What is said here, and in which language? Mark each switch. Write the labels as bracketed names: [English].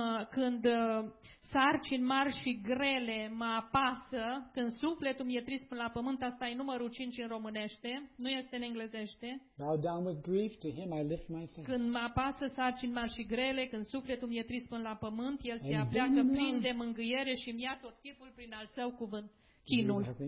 [Romanian] Când sarcini mari și grele mă apasă, când sufletul mi-e trist până la pământ, asta e numărul 5 în românește, nu este în englezește. [English] Bow down with grief, to him I lift my face. [Romanian] Când mă apasă sarcini mari și grele, când sufletul mi-e trist până la pământ, el se apleacă plin de mângâiere și mi-a tot chipul prin al său cuvânt, chinul.